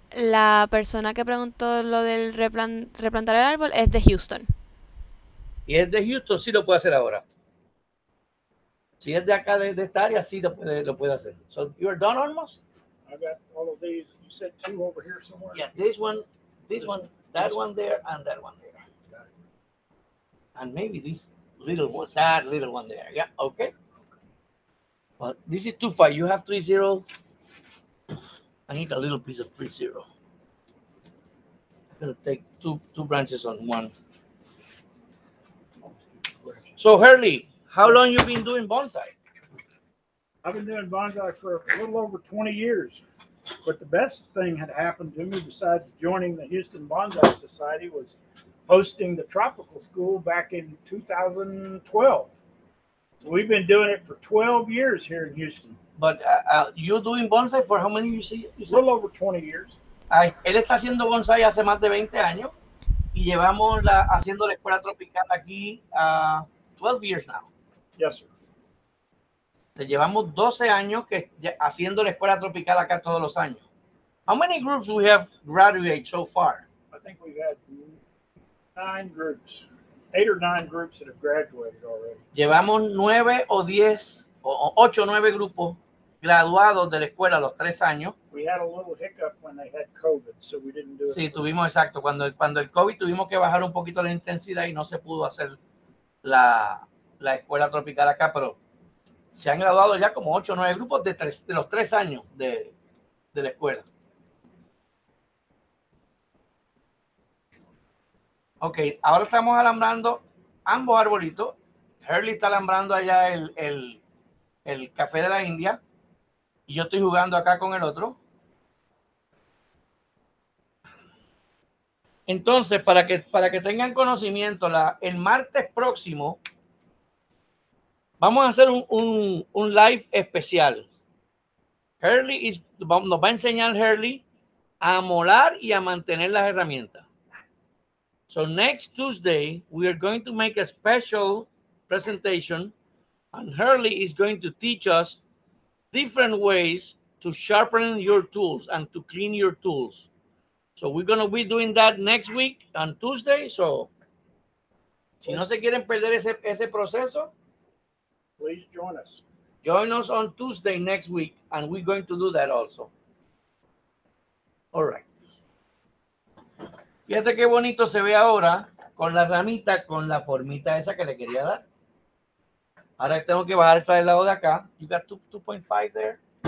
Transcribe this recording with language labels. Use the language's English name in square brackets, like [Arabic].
[Spanish] La persona que preguntó lo del replantar el árbol es de Houston. Y es de Houston, sí lo puede hacer ahora. Si es de acá, de esta área, sí lo puede hacer. [English] So, you are done almost? I got all of these. You said two over here somewhere. Yeah, this one, that one there, and that one there. And maybe this little one, that little one there. Yeah, okay. But this is 2-5. You have 3-0. I need a little piece of 3-0. I'm going to take two branches on one. So, Hurley, how long you been doing bonsai? I've been doing bonsai for a little over 20 years. But the best thing had happened to me besides joining the Houston Bonsai Society was hosting the Tropical School back in 2012. So we've been doing it for 12 years here in Houston. But you're doing bonsai for how many years? A little over 20 years. [Spanish] Él está haciendo bonsai hace más de 20 años y llevamos haciendo la escuela tropical aquí [English] 12 years now. Yes, sir. [Spanish] Te llevamos 12 años que haciendo la escuela tropical acá todos los años. [English] How many groups we have graduated so far? I think we've had 9 groups. 8 or 9 groups that have graduated already. [Spanish] Llevamos 9 o 10 o 8 o 9 grupos graduados de la escuela los 3 años. [English] We had a little hiccup when they had COVID, so we didn't do it. [Spanish] Sí, tuvimos exacto, cuando el COVID tuvimos que bajar un poquito la intensidad y no se pudo hacer la escuela tropical acá, pero se han graduado ya como 8 o 9 grupos de los 3 años de la escuela. Ok, ahora estamos alambrando ambos arbolitos. Hurley está alambrando allá el café de la India. Y yo estoy jugando acá con el otro. Entonces, para que tengan conocimiento, el martes próximo vamos a hacer un live especial. Nos va a enseñar Hurley a molar y a mantener las herramientas. [English] So next Tuesday, we are going to make a special presentation and Hurley is going to teach us different ways to sharpen your tools and to clean your tools. So we're going to be doing that next week on Tuesday. [Spanish] So si no se quieren perder ese proceso, [English] please join us. Join us on Tuesday next week, and we're going to do that also. All right. [Spanish] Fíjate qué bonito se ve ahora con la ramita, con la formita esa que le quería dar. Ahora tengo que bajar esta del lado de acá. [English] You got 2.5 there.